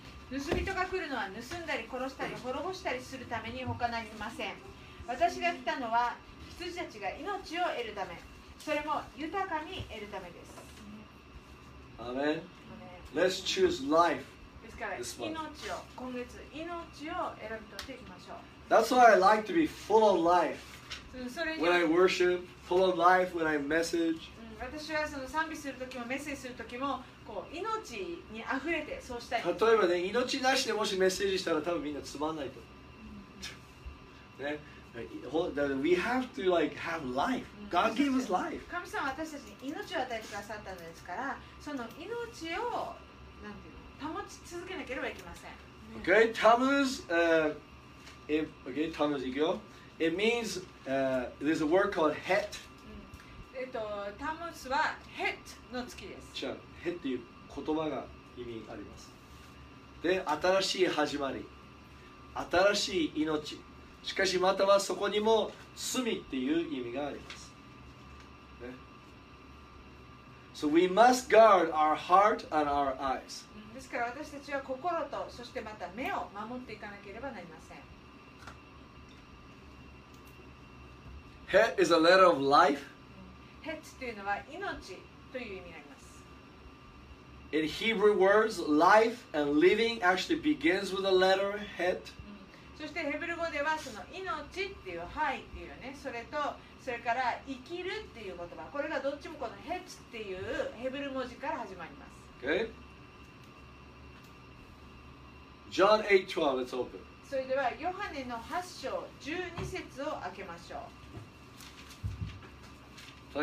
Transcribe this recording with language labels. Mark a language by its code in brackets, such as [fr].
[ja] 盗人が来るのは盗んだり殺したり滅ぼしたりするために他なりません。私が来たのは羊たちが命を得るため、それも豊かに得るためです。 [en] アメン。Let's choose life. [ja] ですから命を今月命を選び取っていきましょう。 [en] That's why I like to be full of life. When I worship, full of life, when I message. [ja] 私はその賛美するときもメッセージするときもこう命にあふれてそうしたい。例えばね、命なしでもしメッセージしたら多分みんなつまんないと。 [en] ね、We have to like have life. God gave us life. [ja] 神様は私たちに命を与えてくださったのですから、その命をなんていうの保ち続けなければいけません。 [en] Okay, Tammuz, okay, Tammuz, [ja] いくよ。 [en] It means there's a word called het. [ja] Tammuz はhetの月です。じゃあ、hetっていう言葉が意味あります。で、新しい始まり、新しい命。しかしまたはそこにも罪っていう意味があります。 [en] ね、so we must guard our heart and our eyes. [ja] ですから私たちは心とそしてまた目を守っていかなければなりません。 [en] Het is a letter of life. [ja] Het というのは命という意味があります。 [en] In Hebrew words, life and living actually begins with a letter het. [ja] そしてヘブル語ではその命っていうハイっていうね、それとそれから生きるっていう言葉、これがどっちもこの het っていうヘブル文字から始まります。 [en] Okay. John 8:12. Let's open. [ja] それではヨハネの8章12節を開けましょう。